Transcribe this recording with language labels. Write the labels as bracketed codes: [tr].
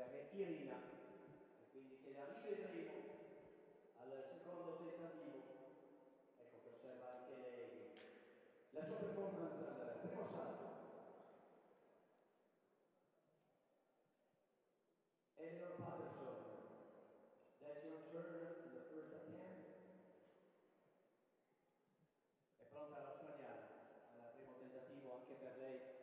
[it] Pierina, e quindi che la rivedremo al secondo tentativo. Ecco che osserva anche lei la sua performance al primo salto. [en] Eleanor Patterson, that's your turn in the first attempt. [it] È pronta la straniera al primo tentativo anche per lei.